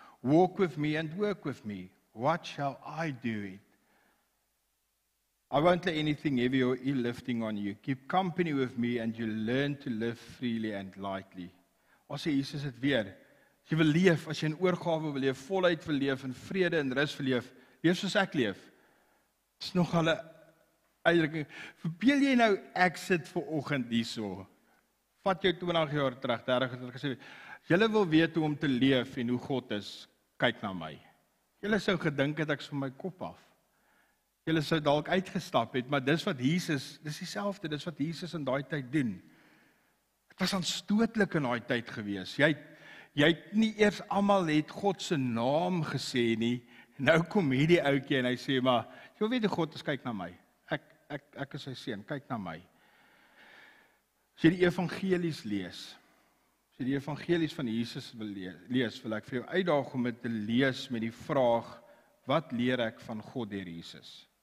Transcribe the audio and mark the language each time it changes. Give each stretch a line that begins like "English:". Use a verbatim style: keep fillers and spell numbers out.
English: Walk with me and work with me. What shall I do it? I won't lay anything heavy or ill lifting on you. Keep company with me and you learn to live freely and lightly.
Afrikaans: Ons sê Jesus het weer, as Jy wil leef, as jy in oorgawe wil leef, voluit wil leef, in vrede en rus wil leef, leef soos ek leef. Dit is nog al 'n uitdrukking. Verbeel jy nou, ek sit vir oggend hierso. Vat jou twintig jaar terug, dertig jaar gesê, julle wil weet hoe om te leef en hoe God is, kyk na my. Julle sou gedink het ek is van my kop af. Julle sou dalk uitgestap het, maar dis wat Jesus, dis dieselfde, dis wat Jesus in daai tyd doen. Het was aanstootlik in daai tyd gewees. Jy het Jy het nie eers almal het God se naam gesê nie. Nou kom hierdie ouetjie en hy sê maar, jy weet die God is kyk na my. Ek ek ek is sy seun, kyk na my. As jy die evangelies lees, as jy die evangelies van Jesus wil lees, wil ek vir jou uitdaag om dit te lees met die vraag, wat leer ek van God deur Jesus?